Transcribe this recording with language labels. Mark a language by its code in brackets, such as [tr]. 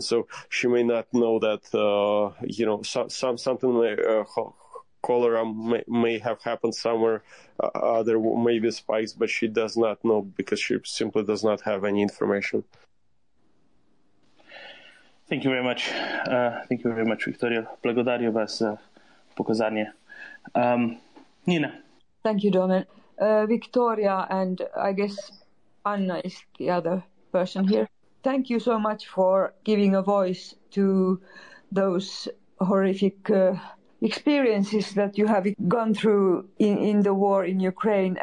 [en] So she may not know that something like cholera may have happened somewhere. There may be spikes, but she does not know because she simply does not have any information. Thank you very much. Thank you very much, Victoria. [ru] Благодарю вас за показания. [en] Nina. Thank you, Domen. Victoria, and I guess Anna is the other person here. Thank you so much for giving a voice to those horrific experiences that you have gone through in the war in Ukraine.